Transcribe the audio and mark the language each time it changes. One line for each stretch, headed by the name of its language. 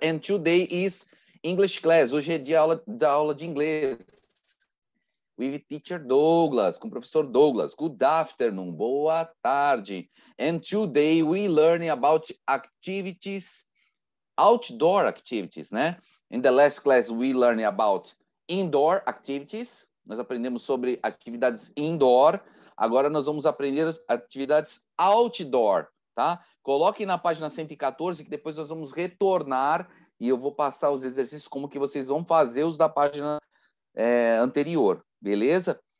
English: And today is English class.
Portuguese: Hoje é dia da aula de inglês.
English: With teacher Douglas,
Portuguese: com o professor Douglas.
English: Good afternoon.
Portuguese: Boa tarde.
English: And today we learn about activities, outdoor activities, né? In the last class, we learn about indoor activities.
Portuguese: Nós aprendemos sobre atividades indoor. Agora nós vamos aprender as atividades outdoor, tá? Coloquem na página 114, que depois nós vamos retornar e eu vou passar os exercícios como que vocês vão fazer os da página anterior, beleza?